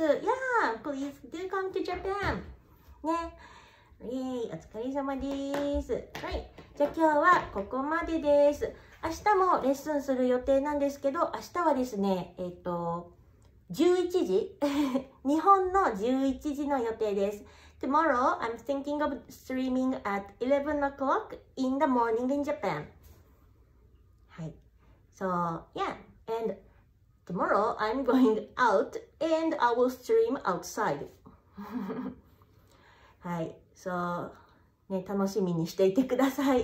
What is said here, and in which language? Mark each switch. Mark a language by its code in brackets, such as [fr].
[en] Yeah! Please do come to Japan! ね。 [ja] イェーイ、お疲れ様です。はい。じゃあ今日はここまでです。明日もレッスンする予定なんですけど、明日はですね、11時。日本の11時の予定です。 [en] Tomorrow, I'm thinking of streaming at 11 o'clock in the morning in Japan. So, yeah, and tomorrow I'm going out and I will stream outside. [ja] はい、そう、ね、楽しみにしていてください。